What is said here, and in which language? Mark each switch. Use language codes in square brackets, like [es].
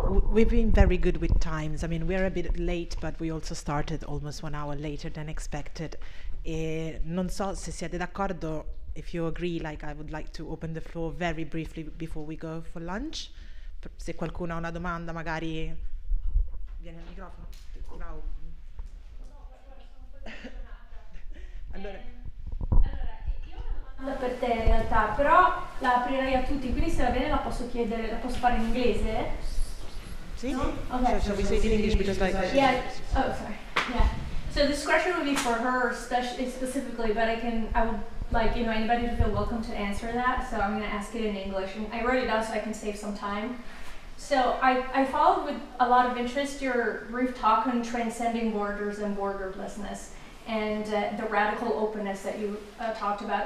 [en] We've been very good with times. I mean, we're a bit late, but we also started almost 1 hour later than expected. [it] E non so se siete d'accordo, [en] if you agree, like I would like to open the floor very briefly before we go for lunch. [it] Se qualcuno ha una domanda, magari viene il microfono. Bravo. Allora. Allora, io ho una domanda per te in realtà, però la aprirei a tutti, quindi se va bene la posso chiedere, la posso fare in inglese? [en] So this question would be for her specifically, but I would like anybody to feel welcome to answer that. So I'm going to ask it in English. And I wrote it down so I can save some time. So I followed with a lot of interest your brief talk on transcending borders and borderlessness and the radical openness that you talked about.